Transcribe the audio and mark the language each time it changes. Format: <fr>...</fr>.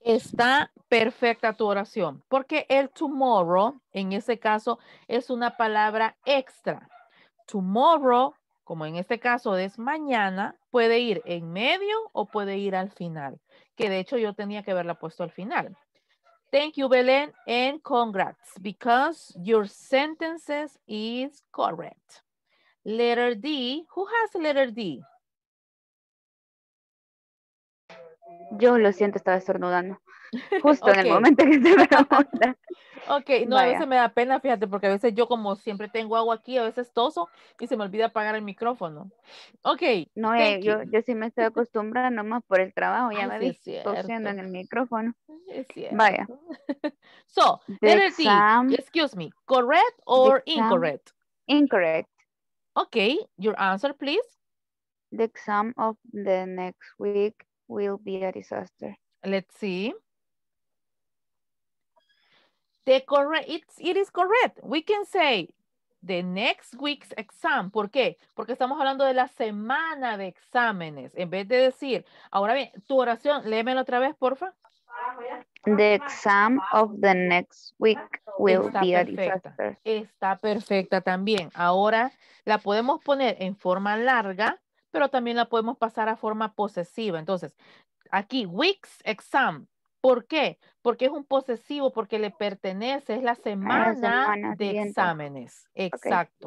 <es>Está perfecta tu oración, porque el tomorrow en ese caso es una palabra extra. Tomorrow, como en este caso es mañana, puede ir en medio o puede ir al final, que de hecho yo tenía que haberla puesto al final.</es> <en>Thank you, Belén, and congrats, because your sentences is correct. Letter D. Who has letter D?</en> <es>Yo lo siento, estaba estornudando. Justo okay. En el momento que se me pregunta. Ok, no, vaya. A veces me da pena, fíjate, porque a veces yo como siempre tengo agua aquí, a veces toso y se me olvida apagar el micrófono. Ok. No, yo sí me estoy acostumbrando nomás por el trabajo, ya me vi tosiendo en el micrófono. Es cierto. Vaya.</es> <en>So, the letter exam, D, excuse me, correct or incorrect? Incorrect. Okay, your answer, please. The exam of the next week will be a disaster. Let's see. The correct, it is correct. We can say the next week's exam.</en> <es>¿Por qué? Porque estamos hablando de la semana de exámenes. En vez de decir, ahora bien, tu oración, léemelo otra vez, porfa.</es> <en>The exam of the next week will be a disaster.</en> <es>Está perfecta también. Ahora la podemos poner en forma larga, pero también la podemos pasar a forma posesiva. Entonces, aquí, week's exam. ¿Por qué? Porque es un posesivo, porque le pertenece, es la semana de exámenes. Exacto.</es>